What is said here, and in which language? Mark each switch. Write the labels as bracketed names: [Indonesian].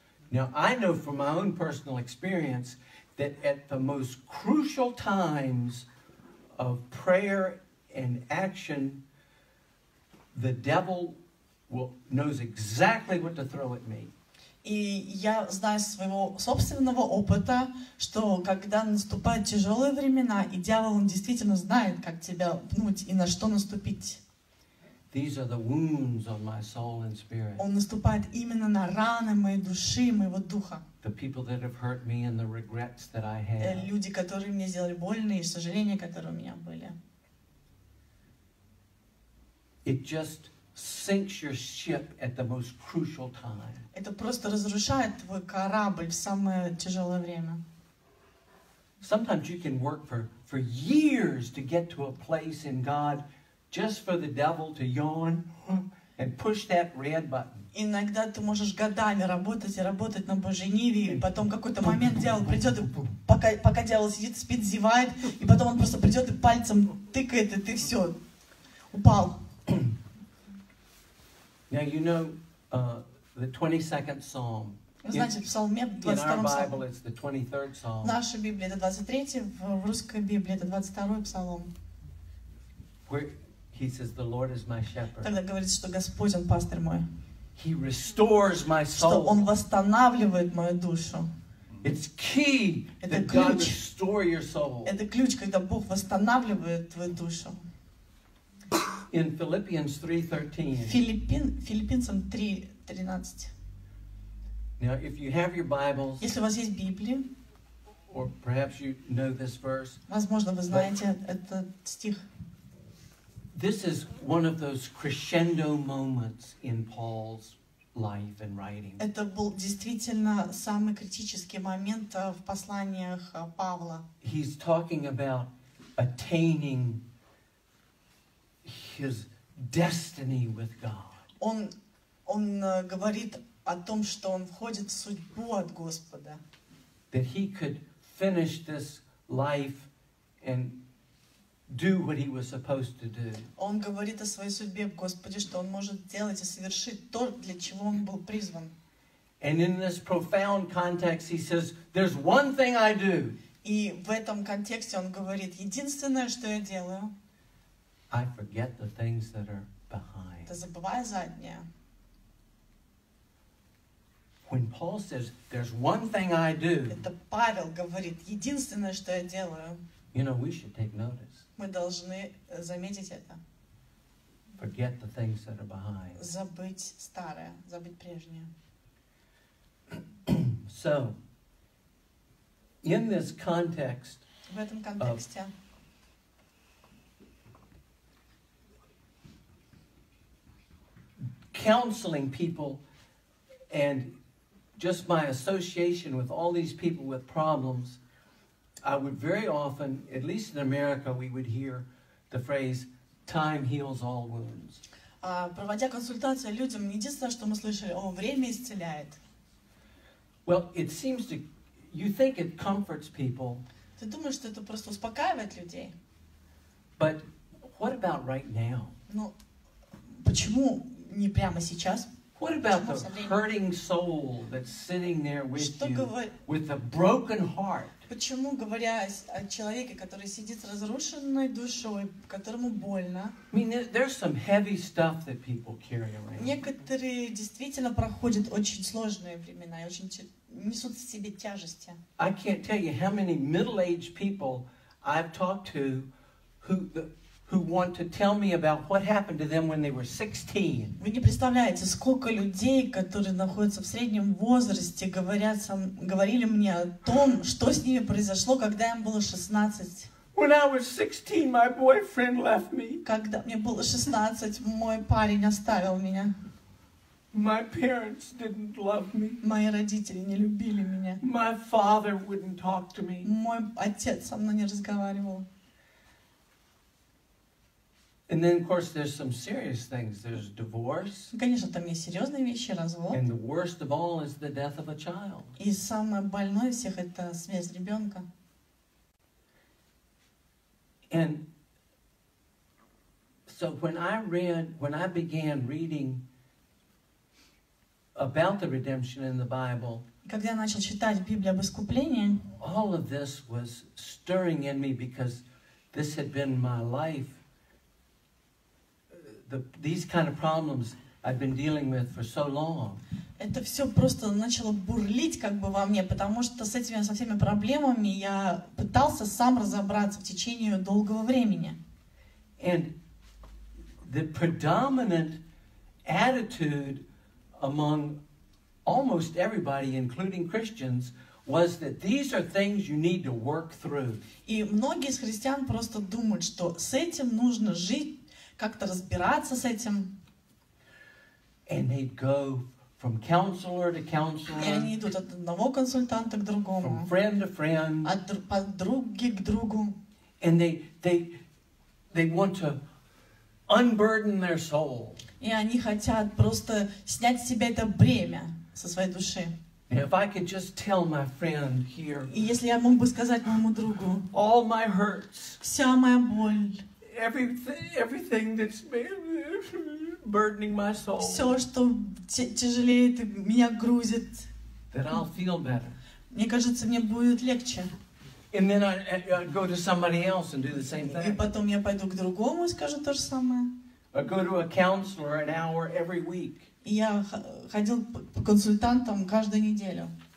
[English] Now I know from my own personal experience that at the most crucial times of prayer and action, the devil knows exactly what to throw at me. [Russian] И я знаю своего собственного опыта, что когда наступают тяжелые времена, и дьявол он действительно знает, как тебя пнуть и на что наступить. [English] These are the wounds of my soul and spirit. [Russian] Он наступает именно на раны моей души, моего духа. [English] The people that have hurt me and the regrets that I have. [Russian] Люди, которые мне сделали больно и сожаления, которые у меня были. [English] It just sinks your ship at the most crucial time. [Russian] Это просто разрушает твой корабль в самое тяжелое время. [English] Sometimes you can work for years to get to a place in God just for the devil to yawn and push that red button. [Russian] Иногда ты можешь годами работать и работать на Божьей ниве, и потом какой-то момент дьявол придет, и пока дьявол сидит, спит, зевает, и потом он просто придет и пальцем тыкает, и ты все, упал. [English] Now you know the 22nd psalm. [Russian] Значит, в псалме 22-м псалме. В нашей Библии это 23-й, в русской Библии это 22-й псалом. [English] He says, "The Lord is my shepherd." [Russian] Тогда говорит, что Господь он пастырь мой. [English] He restores my soul. [Russian] Что он восстанавливает мою душу. [English] It's key that God restore your soul. [Russian] Это ключ, когда Бог восстанавливает твою душу. [English] In Philippians [Russian] 3:13. Филиппинцам 3:13. [English] Now, if you have your Bibles. [Russian] Если у вас есть Библия. [English] Or perhaps you know this verse. [Russian] Возможно, вы знаете этот стих. [English] This is one of those crescendo moments in Paul's life and writing. [Russian] Это был действительно самый критический момент в посланиях Павла. [English] He's talking about attaining his destiny with God. [Russian] Он говорит о том, что он входит в судьбу от Господа. [English] That he could finish this life and do what he was supposed to do. [Russian] Он говорит о своей судьбе, Господи, что он может делать и совершить то, для чего он был призван. [English] And in this profound context, he says, "There's one thing I do." [Russian] И в этом контексте он говорит: единственное, что я делаю. [English] I forget the things that are behind. [Russian] Это забывая заднее. [English] When Paul says, "There's one thing I do," [Russian] это Павел говорит: единственное, что я делаю. [English] You know, we should take notice. [Russian] Мы должны заметить это. [English] Forget the things that are behind. [Russian] Забыть старое, забыть прежнее. [English] So, in this context, [Russian] в этом контексте, [English] counseling people and just my association with all these people with problems, I would very often, at least in America, we would hear the phrase, "Time heals all wounds." [Russian] проводя консультации людям, единственное, что мы слышали, о, время исцеляет. [English] Well, it seems to, you think it comforts people. [Russian] Ты думаешь, что это просто успокаивает людей? [English] But what about right now? [Russian] Ну, почему не прямо сейчас? [English] What about the hurting soul that's sitting there with [Russian] что [English] you with a broken heart? [Russian] Почему, говоря о человеке, который сидит с разрушенной душой, которому больно? [English] I mean, there's some heavy stuff that people carry around. [Russian] Некоторые действительно проходят очень сложные времена и очень несут в себе тяжести. [English] I can't tell you how many middle-aged people I've talked to who want to tell me about what happened to them when they were 16. [Russian] Вы не представляете, сколько людей, которые находятся в среднем возрасте, говорили мне о том, что с ними произошло, когда им было 16. [English] When I was 16, my boyfriend left me. [Russian] Когда мне было 16, мой парень оставил меня. [English] My parents didn't love me. [Russian] Мои родители не любили меня. [English] My father wouldn't talk to me. [Russian] Мой отец со мной не разговаривал. [English] And then, of course, there's some serious things. There's divorce. [Russian] Конечно, там есть серьезные вещи, развод. [English] And the worst of all is the death of a child. [Russian] И самое больное всех это смерть ребенка. [English] And so when I began reading about the redemption in the Bible. [Russian] Когда я начал читать Библию об искуплении. [English] All of this was stirring in me because this had been my life. These kind of problems I've been dealing with for so long. [Russian] Это все просто начало бурлить как бы во мне, потому что с этими со всеми проблемами я пытался сам разобраться в течение долгого времени. [English] And the predominant attitude among almost everybody, including Christians, was that these are things you need to work through. [Russian] И многие из христиан просто думают, что с этим нужно жить. Как-то разбираться с этим. [English] And they'd go from counselor to counselor. [Russian] И они идут от одного консультанта к другому. [English] From friend to friend. [Russian] От подруги к другу. [English] And they want to unburden their soul. [Russian] И они хотят просто снять с себя это бремя со своей души. [English] And if I could just tell my friend here. [Russian] И если я мог бы сказать моему другу. [English] All my hurts. [Russian] Вся моя боль. [English] Everything that's burdening my soul. [Russian] Все, что тяжелеет, меня грузит. [English] That I'll feel better. [Russian] Мне кажется, мне будет легче. [English] And then I'd go to somebody else and do the same thing. [Russian] И потом я пойду к другому и скажу то же самое. [English] I go to a counselor an hour every week. [Russian] И я ходил по консультантам каждую неделю.